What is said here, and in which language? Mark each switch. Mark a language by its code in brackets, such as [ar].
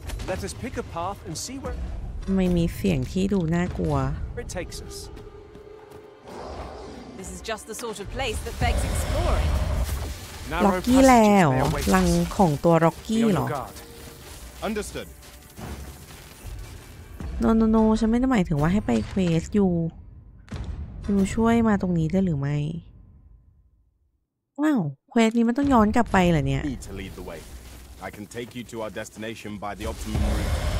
[en] Let us pick a path and see where. [th] ไม่มีเสียงที่ดูน่ากลัว [en] It takes us. This is just the sort of place that begs exploring. [th] ล็อกกี้แล้วลังของตัวล็อกกี้เหร [en] อ Understood. No. [th] ฉันไม่ได้หมายถึงว่าให้ไปเควสอยู่ยูช่วยมาตรงนี้ได้หรือไม่ว้าวเควสนี้มันต้องย้อนกลับไปเหรอเนี่ย [en] Need to lead the way. I can take you to our destination by the optimum route.